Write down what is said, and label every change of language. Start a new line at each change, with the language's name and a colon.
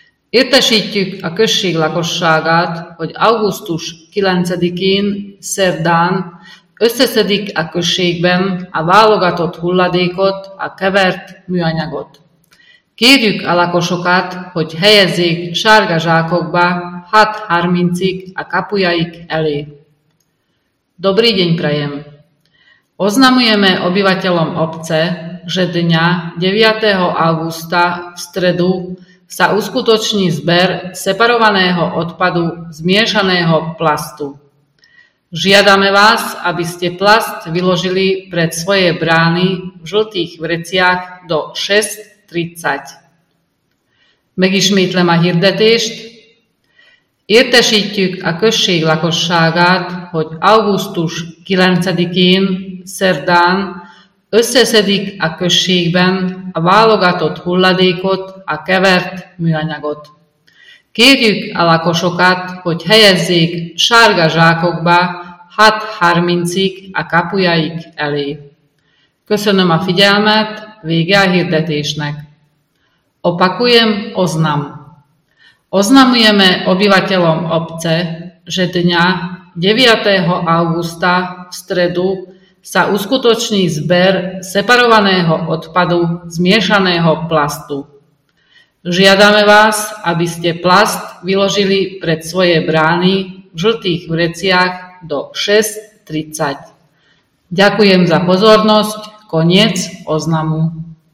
Hungarian: Értesítjük a község lakosságát, hogy augusztus 9-én, szerdán összeszedik a községben a válogatott hulladékot, a kevert műanyagot. Kérjük a lakosokat, hogy helyezzék sárga zsákokba 6:30-ig a kapujaik elé.
Slovak: Dobrý deň prajem! Oznamujeme obyvateľom obce, že dňa 9. augusta v stredu sa uskutoční zber separovaného odpadu zmiešaného plastu. Žiadame vás, aby ste plast vyložili pred svoje brány v žltých vreciach do 6:30.
Hungarian: Megismétlem a hirdetést. Értesítjük a község lakosságát, hogy augusztus 9-én, szerdán összeszedik a községben a válogatott hulladékot, a kevert műanyagot. Kérjük a lakosokat, hogy helyezzék sárga zsákokba 6:30-ig a kapujaik elé. Köszönöm a figyelmet, vége a hirdetésnek.
Slovak: Opakujem oznam. Oznamujeme obyvateľom obce, že dňa 9. augusta v stredu sa uskutoční zber separovaného odpadu zmiešaného plastu. Žiadame vás, aby ste plast vyložili pred svoje brány v žltých vreciach do 6:30. Ďakujem za pozornosť. Koniec oznamu.